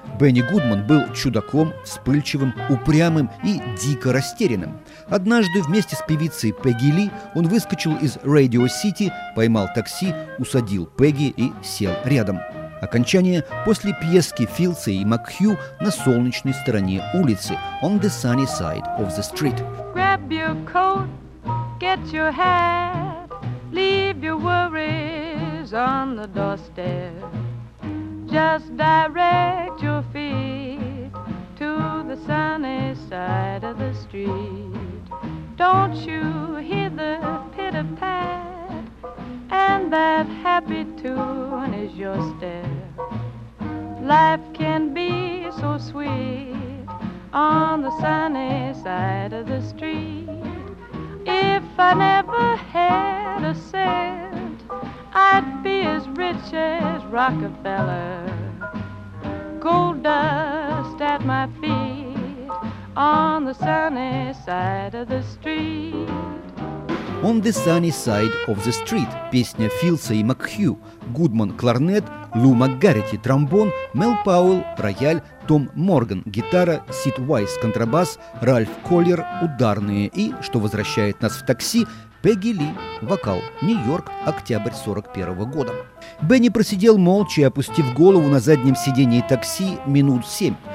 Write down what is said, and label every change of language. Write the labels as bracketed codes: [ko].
[ru] Бенни Гудман был чудаком, вспыльчивым, упрямым и дико растерянным. Однажды вместе с певицей Пегги Ли он выскочил из Radio City, поймал такси, усадил Пегги и сел рядом. Окончание после пьески Филдса и Макхью на солнечной стороне улицы, [en] on the sunny side of the street. Grab your coat, get your hat, leave your worries on the doorstep. Just direct your feet to the sunny side of the street. Don't you hear the pitter-pat and that happy tune is your step. Life can be so sweet on the sunny side of the street. If I never had a cent, I'd be as rich as Rockefeller. Gold dust at my feet on the sunny side of the street. On the sunny side of the street. [ru] Песня Филдса и Макхью. Гудман – кларнет, Лу МакГаррити – тромбон, Мел Пауэлл – рояль, Том Морган – гитара, Сид Уайс – контрабас, Ральф Коллер – ударные и, что возвращает нас в такси, Пегги Ли – вокал. Нью-Йорк, октябрь 41 года. Бенни просидел молча, опустив голову на заднем сидении такси минут 7.